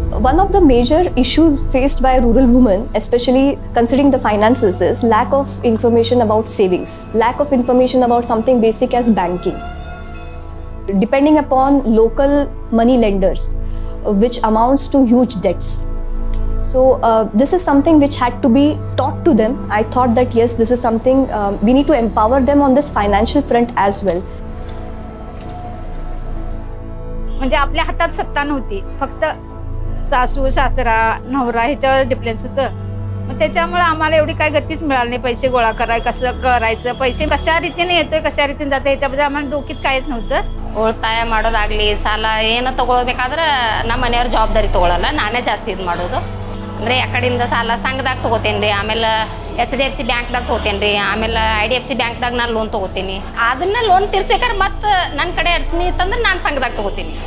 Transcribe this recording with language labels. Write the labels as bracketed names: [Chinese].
[English] One of the major issues faced by rural women, especially considering the finances, is lack of information about savings, lack of information about something basic as banking. Depending upon local money lenders, which amounts to huge debts. So this is something which had to be taught to them. I thought that yes, this is something we need to empower them on this financial front as well. [Marathi] म्हणजे आपल्या हातात सत्ता नव्हती, फक्त सासू सासरा नवरा ह्याच्यावर डिपेंड होतं. मग त्याच्यामुळे आम्हाला एवढी काय गतीच मिळाली नाही. पैसे गोळा कराय कसं करायचं, पैसे कशा रीतीने येतोय कशा रीतीने जाते ह्याच्याबद्दल आम्हाला डोक्यात काहीच नव्हतं. [Kannada] ಉಳಿತಾಯ ಮಾಡೋದಾಗಲಿ ಸಾಲ ಏನು ತೊಗೊಳ್ಬೇಕಾದ್ರೆ ನಮ್ಮ ಮನೆಯವ್ರ ಜವಾಬ್ದಾರಿ ತೊಗೊಳಲ್ಲ, ನಾನೇ ಜಾಸ್ತಿ ಇದು ಮಾಡೋದು. ಅಂದರೆ ಯಾಕಡೆಯಿಂದ ಸಾಲ ಸಂಘದಾಗ ತೊಗೋತೇನೆ ರೀ, ಆಮೇಲೆ HDFC ಬ್ಯಾಂಕ್ದಾಗ ತೊಗೋತೇನೆ ರೀ, ಆಮೇಲೆ IDFC ಬ್ಯಾಂಕ್ದಾಗ ನಾನು ಲೋನ್ ತೊಗೋತೀನಿ. ಅದನ್ನು ಲೋನ್ ತೀರಿಸ್ಬೇಕಾದ್ರೆ ಮತ್ತೆ ನನ್ನ ಕಡೆ ಅರ್ಜಿನಿ ಇತ್ತಂದ್ರೆ ನಾನು ಸಂಘದಾಗ ತೊಗೋತೀನಿ.